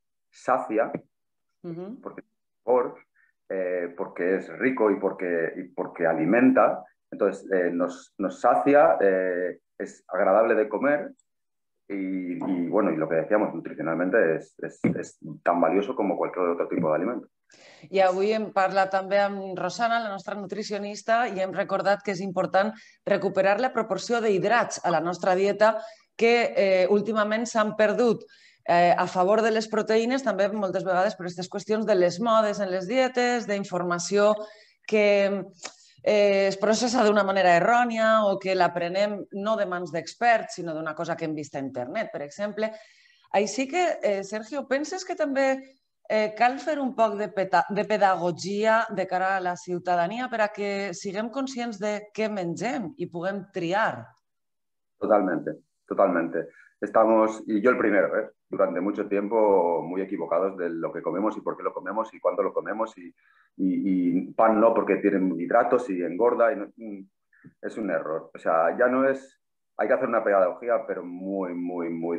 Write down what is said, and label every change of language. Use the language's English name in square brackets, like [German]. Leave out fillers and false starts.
[Spanish] sacia, porque es rico y porque alimenta, entonces nos sacia, es agradable de comer y lo que decíamos nutricionalmente es tan valioso como cualquier otro tipo de alimento. [Catalan] I avui hem parlat també amb Rosana, la nostra nutricionista, i hem recordat que és important recuperar la proporció d'hidrats a la nostra dieta que últimament s'han perdut a favor de les proteïnes, també moltes vegades per aquestes qüestions de les modes en les dietes, d'informació que es processa d'una manera errònia o que l'aprenem no de mans d'experts, sinó d'una cosa que hem vist a internet, per exemple. Així que, Sergio, penses que també cal fer un poc de pedagogia de cara a la ciutadania perquè siguem conscients de què mengem i puguem triar? [Spanish] Totalmente, totalmente. Estamos, y yo el primero, durante mucho tiempo muy equivocados de lo que comemos y por qué lo comemos y cuándo lo comemos y pan no porque tiene hidratos y engorda. Y no, es un error. O sea, ya no es... Hay que hacer una pedagogía, pero muy, muy, muy...